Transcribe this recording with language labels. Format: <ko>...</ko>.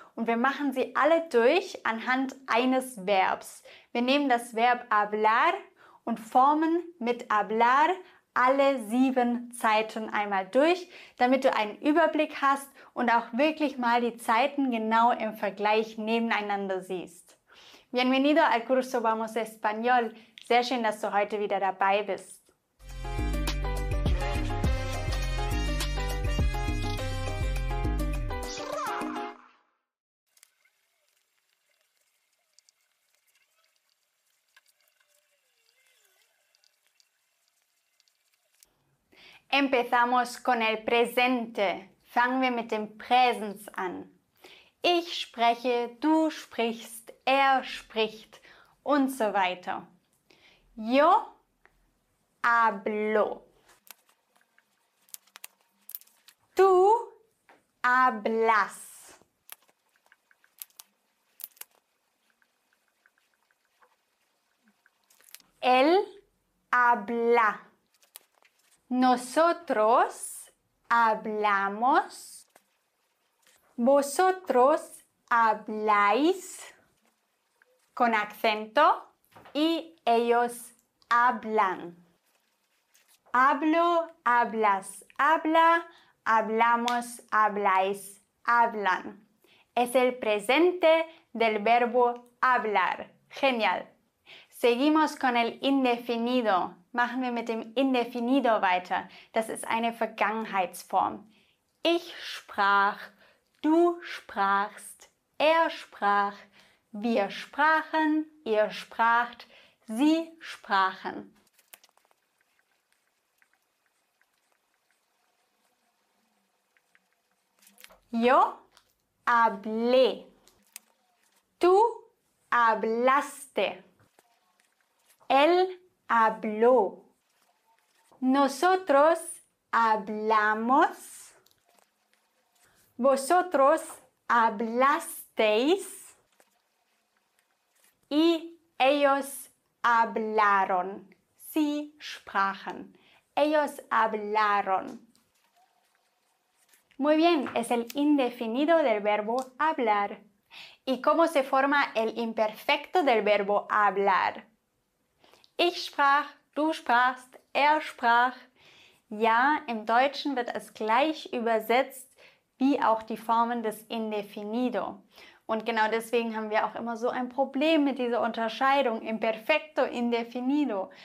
<de>Und wir machen sie alle durch anhand eines Verbs. Wir nehmen das Verb hablar und formen mit hablar alle 7 Zeiten einmal durch, damit du einen Überblick hast und auch wirklich mal die Zeiten genau im Vergleich nebeneinander siehst.</de> <es>Bienvenido al curso Vamos Español.</es> <de>Sehr schön, dass du heute wieder dabei bist.</de> <es>Empezamos con el presente.</es> <de>Fangen wir mit dem Präsens an. Ich spreche, du sprichst, er spricht und so weiter.</de> <es>Yo hablo. Tú hablas. Él habla. Nosotros hablamos. Vosotros habláis con acento y ellos hablan. Hablo, hablas, habla, hablamos, habláis, hablan. Es el presente del verbo hablar. Genial. Seguimos con el indefinido.</es> <de>Machen wir mit dem Indefinido weiter. Das ist eine Vergangenheitsform. Ich sprach, du sprachst, er sprach, wir sprachen, ihr spracht, sie sprachen.</de> <es>Yo hablé. Tú hablaste. Él habló. Nosotros hablamos. Vosotros hablasteis. Y ellos hablaron.</es> <de>Sie sprachen.</de> <es>Ellos hablaron. Muy bien, es el indefinido del verbo hablar. ¿Y cómo se forma el imperfecto del verbo hablar?</es> <de>Ich sprach, du sprachst, er sprach. Ja, im Deutschen wird es gleich übersetzt wie auch die Formen des Indefinido. Und genau deswegen haben wir auch immer so ein Problem mit dieser Unterscheidung Imperfecto, Indefinido.</de>